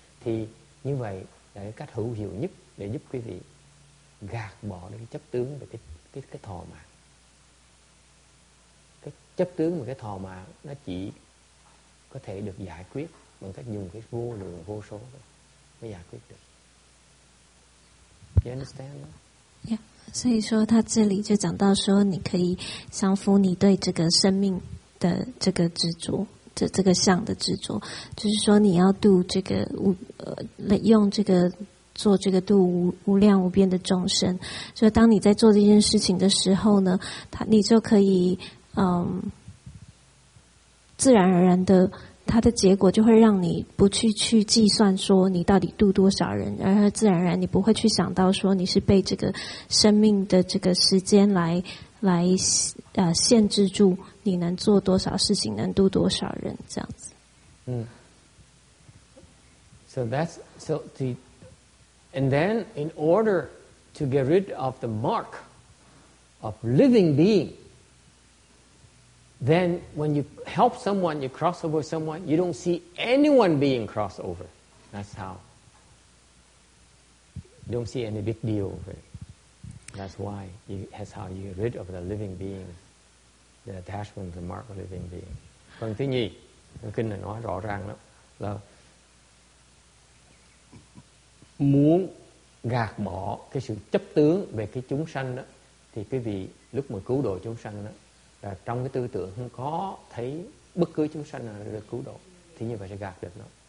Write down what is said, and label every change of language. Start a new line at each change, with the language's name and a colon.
Vietnamese: Thì như vậy là cái cách hữu hiệu nhất để giúp quý vị gạt bỏ cái chấp tướng và cái thò mạng. Cái chấp tướng và cái thò mạng nó chỉ có thể được giải quyết bằng cách dùng cái vô lượng vô số thôi.
English: You understand? Yeah.
Chinese: 所以说他这里就讲到说 你可以降伏你对这个生命的这个执着这个相的执着 就是说你要度这个 用这个做这个度无量无边的众生 所以当你在做这件事情的时候呢 你就可以自然而然的 它的结果就会让你不去计算说你到底度多少人，而自然而然你不会去想到说你是被这个生命的这个时间来限制住你能做多少事情，能度多少人这样子。
English: And then in order to get rid of the mark of living being, then when you help someone, you cross over someone, you don't see anyone being crossed over. That's how. You don't see any big deal over it. That's why. That's how you get rid of the living being, the attachment to the mark of living being.
Vietnamese: Phần thứ nhì, kinh này nói rõ ràng lắm. Là muốn gạt bỏ cái sự chấp tướng về cái chúng sanh đó, thì quý vị lúc mà cứu độ chúng sanh đó, là trong cái tư tưởng không có thấy bất cứ chúng sanh nào được cứu độ, thì như vậy sẽ gạt được nó.